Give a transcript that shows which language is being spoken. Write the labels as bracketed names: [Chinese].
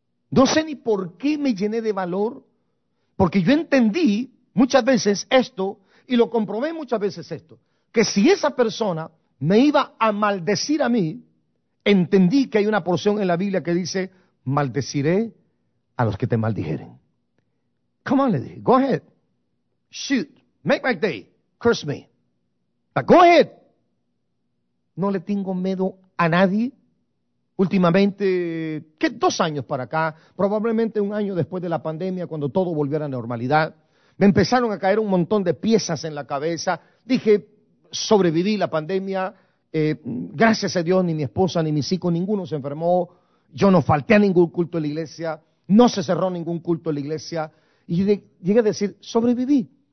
[Spanish] No sé ni por qué me llené de valor, porque yo entendí muchas veces esto, y lo comprobé muchas veces esto, que si esa persona me iba a maldecir a mí, entendí que hay una porción en la Biblia que dice, maldeciré a los que te maldijeren. [English] Come on, [Spanish] le dije, [English] go ahead. Shoot, make my day, curse me. But go ahead. [Spanish] No le tengo miedo a nadie. Últimamente, ¿qué? 2 años para acá, probablemente 1 año después de la pandemia, cuando todo volvió a la normalidad, me empezaron a caer un montón de piezas en la cabeza. Dije, sobreviví la pandemia, gracias a Dios, ni mi esposa, ni mis hijos, ninguno se enfermó, yo no falté a ningún culto en la iglesia, no se cerró ningún culto en la iglesia, y llegué a decir, sobreviví.